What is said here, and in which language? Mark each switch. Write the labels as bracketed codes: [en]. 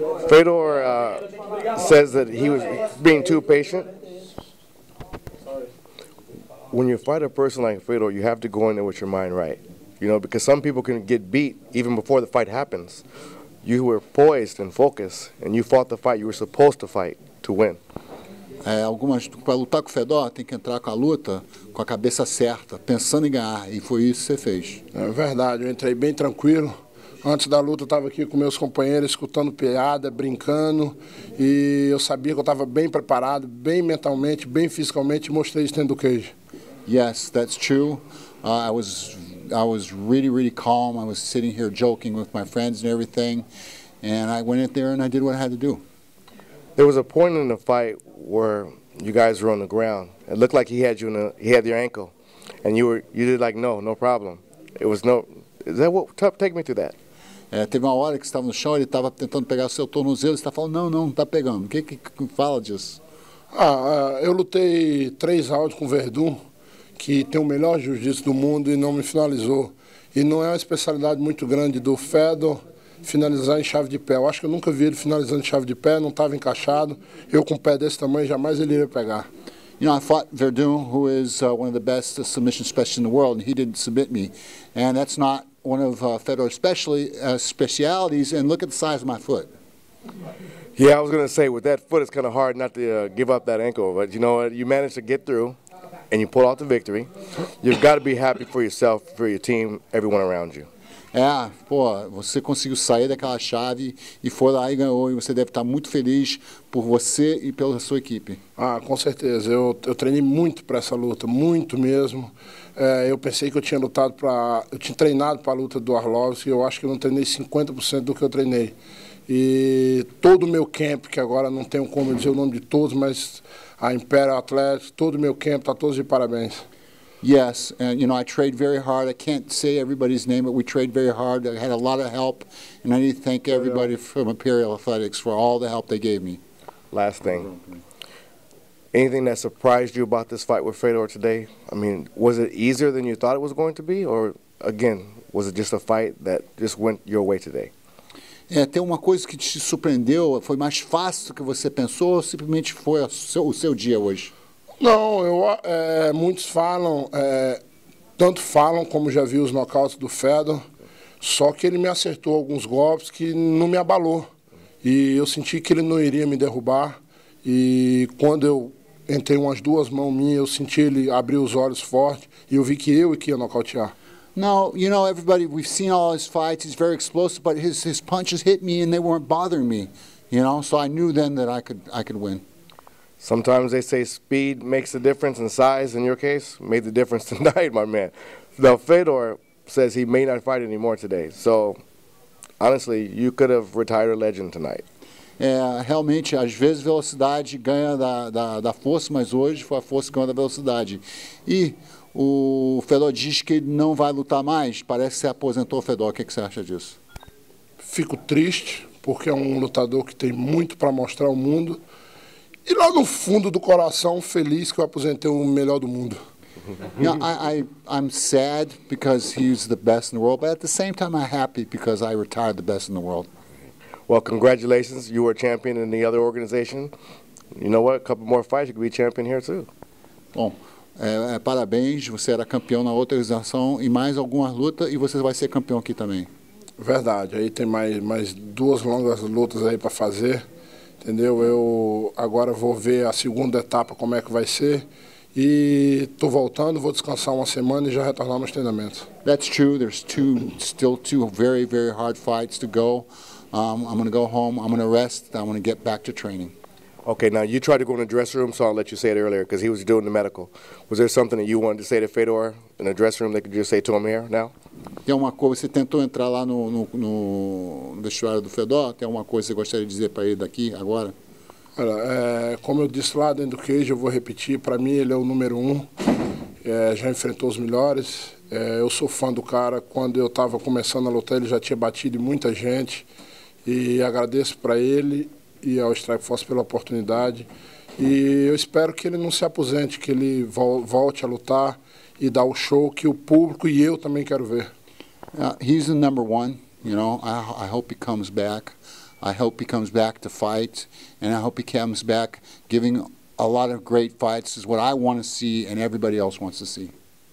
[en] Fedor says that he was being too patient. When you fight a person like Fedor, you have to go in there with your mind right. You know, because some people can get beat even before the fight happens. You were poised and focused, and you fought the fight you were supposed to fight to win. [pt] Para lutar com o Fedor, tem que entrar com a luta com a cabeça certa, pensando em ganhar, e foi isso que você fez. É verdade, eu entrei bem tranquilo. Antes da luta, eu estava aqui com meus companheiros, escutando piada, brincando, e eu sabia que eu estava bem preparado, bem mentalmente, bem fisicamente, e mostrei isso dentro do queijo. [en] Yes, that's true. I was really, really calm. I was sitting here joking with my friends and everything. And I went in there and I did what I had to do. There was a point in the fight where you guys were on the ground. It looked like he had your ankle. And you did like, no problem. It was no, is that what, take me through that. [pt] Teve uma hora que você estava no chão, ele estava tentando pegar o seu tornozelo, você estava falando, não, não tá pegando. O que fala disso? Eu lutei 3 rounds com o Verdun, que tem o melhor jiu-jitsu do mundo e não me finalizou. E não é uma especialidade muito grande do Fedor finalizar em chave de pé. Eu acho que eu nunca vi ele finalizando em chave de pé, não estava encaixado. Eu com um pé desse tamanho, jamais ele iria pegar. [en] You know, I fought Verdun, who is one of the best submission specialists in the world, and he didn't submit me. And that's not one of Fedor's specialities, and look at the size of my foot. Yeah, I was going to say, with that foot, it's kind of hard not to give up that ankle. But you know what, you managed to get through. And you pull out the victory, you've got to be happy for yourself, for your team, everyone around you. [pt] Yeah, pô, você conseguiu sair daquela chave e foi lá e ganhou. E você deve estar muito feliz por você e pela sua equipe. Ah, com certeza. Eu treinei muito para essa luta, muito mesmo. Eu pensei que eu tinha treinado para a luta do Arlovski. Eu acho que eu não treinei 50% do que eu treinei. E todo o meu camp, que agora não tenho como dizer o nome de todos, mas a Imperial Athletics, todo o meu camp, está todos de parabéns. [en] Yes, and you know, I trained very hard. I can't say everybody's name, but we trained very hard. I had a lot of help, and I need to thank everybody from Imperial Athletics for all the help they gave me. Last thing. Anything that surprised you about this fight with Fedor today? I mean, was it easier than you thought it was going to be? Or, again, was it just a fight that just went your way today? [pt] Tem uma coisa que te surpreendeu, foi mais fácil do que você pensou ou simplesmente foi o seu dia hoje? Não, muitos falam, tanto falam como já vi os nocautes do Fedor, só que ele me acertou alguns golpes que não me abalou. E eu senti que ele não iria me derrubar. E quando eu entrei umas duas mãos minhas, eu senti ele abrir os olhos forte e eu vi que eu ia nocautear. [en] Now, you know, everybody, we've seen all his fights, he's very explosive, but his punches hit me and they weren't bothering me, you know, so I knew then that I could win. Sometimes they say speed makes a difference and size, in your case, made the difference tonight, my man. Now, Fedor says he may not fight anymore today, so, honestly, you could have retired a legend tonight. [pt] Realmente, às vezes velocidade ganha da força, mas hoje foi a força que ganha da velocidade. E o Fedor diz que ele não vai lutar mais, parece que você aposentou o Fedor, o que você acha disso? Fico triste, porque é um lutador que tem muito para mostrar ao mundo, e lá no fundo do coração, feliz que eu aposentei o melhor do mundo. [en] You know, I'm sad because he's the best in the world, but at the same time I'm happy because I retired the best in the world. Well, congratulations, you were champion in the other organization. You know what, a couple more fights, you could be champion here too. [pt] Bom. Parabéns, você era campeão na outra organização e mais algumas lutas e você vai ser campeão aqui também. Verdade, aí tem mais duas longas lutas aí para fazer, entendeu? Eu agora vou ver a segunda etapa como é que vai ser e tô voltando, vou descansar uma semana e já retornar nos treinamentos. [en] That's true, there's still two very, very hard fights to go. I'm going to go home, I'm going to rest, I'm going to get back to training. Okay, now you tried to go in the dressing room, so I'll let you say it earlier, because he was doing the medical. Was there something that you wanted to say to Fedor in the dressing room that you could just say to him here now? [pt] Tem uma coisa, você tentou entrar lá no vestuário do Fedor, tem alguma coisa que você gostaria de dizer para ele daqui, agora? Olha, como eu disse lá dentro do queijo, eu vou repetir, para mim ele é o número um, já enfrentou os melhores, Eu sou fã do cara. Quando eu estava começando a lutar, ele já tinha batido muita gente. E agradeço para ele e ao Strikeforce pela oportunidade. E eu espero que ele não se aposente, que ele volte a lutar e dar o show que o público e eu também quero ver. [en] He's the number one, you know. I hope he comes back. I hope he comes back to fight, and I hope he comes back giving a lot of great fights. This is what I want to see, and everybody else wants to see.